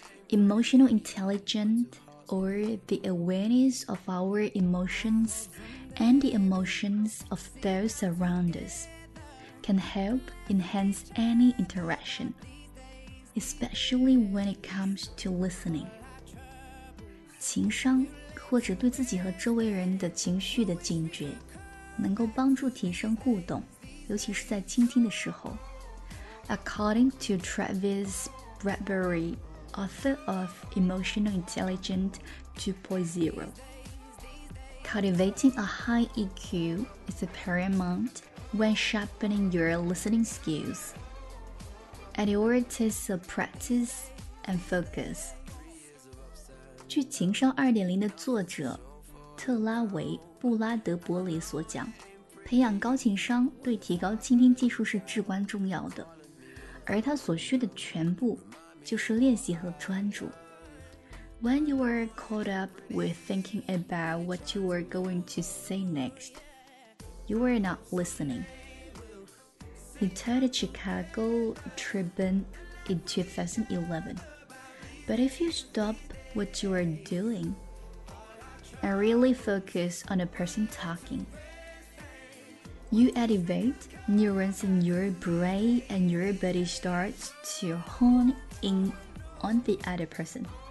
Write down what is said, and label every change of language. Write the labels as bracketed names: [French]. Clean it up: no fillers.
[English] Emotional intelligent or the awareness of our emotions and the emotions of those around us can help enhance any interaction， especially when it comes to listening。 [Chinese] 情商或者对自己和周围人的情绪的警觉，能够帮助提升互动，尤其是在倾听的时候。 [English] According to Travis Bradbury, author of Emotional Intelligence 2.0, Cultivating a high EQ is paramount when sharpening your listening skills. And your test of practice and focus. [Chinese] 据情商 2.0 的作者特拉维·布拉德伯里所讲，培养高情商对提高倾听技术是至关重要的，而它所需的全部就是练习和专注。 [English] When you are caught up with thinking about what you are going to say next, you are not listening. He told the Chicago Tribune in 2011, But if you stop what you are doing and really focus on the person talking,You activate neurons in your brain and your body starts to hone in on the other person.